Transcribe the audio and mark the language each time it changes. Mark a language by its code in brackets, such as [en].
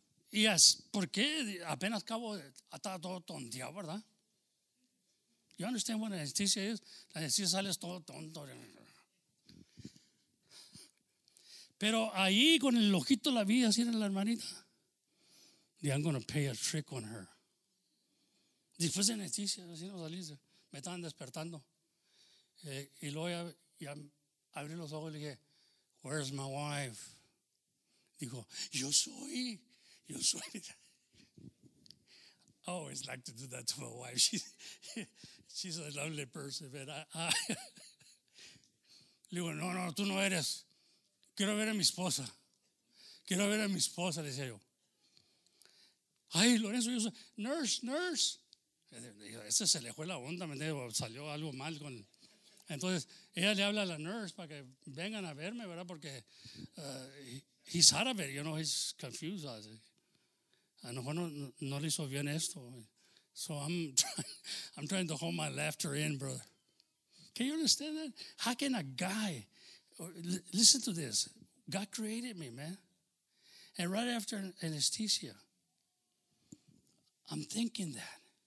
[es] Y así, ¿por qué? Apenas acabo, estaba todo tonteado, ¿verdad? [en] You understand what anesthesia is? [es] La anesthesia sale todo tonto. Pero ahí con el ojito la vi así en la hermanita. [en] I'm going to pay a trick on her. [es] Después de anestesia, así no salí. Me estaban despertando. Y luego ya abrí los ojos y le dije, [en] where's my wife? [es] Dijo, yo soy. [en] I always like to do that to my wife. She's a lovely person. But [es] le digo, no, tú no eres. Quiero ver a mi esposa. Quiero ver a mi esposa, le decía yo. Ay, Lorenzo, yo soy. Nurse. Ese se le fue la onda, ¿me entiendes? Salió algo mal con. Entonces, ella le habla a la nurse para que vengan a verme, ¿verdad? [en] Porque he's out of it, you know, he's confused. [es] A lo mejor no le hizo bien esto. [en] So I'm trying to hold my laughter in, brother. Can you understand that? How can a guy. Listen to this. God created me, man. And right after anesthesia, I'm thinking that.